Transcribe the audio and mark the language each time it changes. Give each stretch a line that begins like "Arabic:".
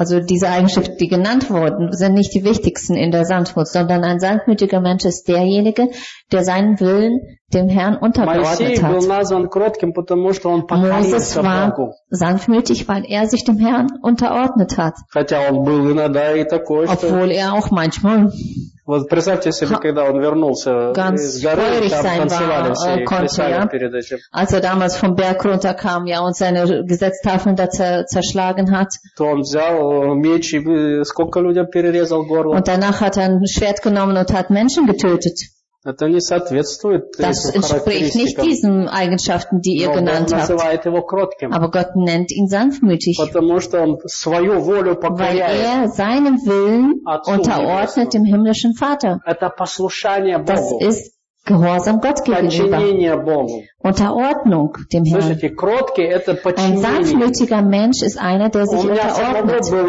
German: Also diese Eigenschaften, die genannt wurden, sind nicht die wichtigsten in der Sanftmut, sondern ein sanftmütiger Mensch ist derjenige, der seinen Willen dem Herrn untergeordnet hat.
Russian: Моисей был назван кротким, потому что он покорился Богу.
German: Sanftmütig, weil er sich dem Herrn unterordnet hat.
Russian: Хотя он был иногда и такой, что...
German: Obwohl er auch manchmal...
Russian: Вот представьте себе, когда он вернулся
German: ganz
Russian: из горы, там танцевали
German: war,
Russian: все и плясали
German: ja?
Russian: Перед этим.
German: Als er damals vom Berg runterkam, ja, und seine Gesetztafeln da zerschlagen hat.
Russian: То он взял меч и сколько людям перерезал горло.
German: Und danach hat er ein Schwert genommen und hat Menschen getötet.
Russian: Это не соответствует этим характеристикам.
German: Das entspricht nicht diesen Eigenschaften, die ihr genannt habt.
Russian: Но Бог называет его кротким.
German: Aber Gott nennt ihn sanftmütig.
Russian: Потому что он свою волю покоряет.
German: Weil er seinem Willen unterordnet dem himmlischen Vater.
Russian: Это послушание Богу.
German: Das ist Gehorsam Gott gegenüber. Unterordnung dem Herrn. Ein sanftmütiger Mensch ist einer, der sich unterordnet.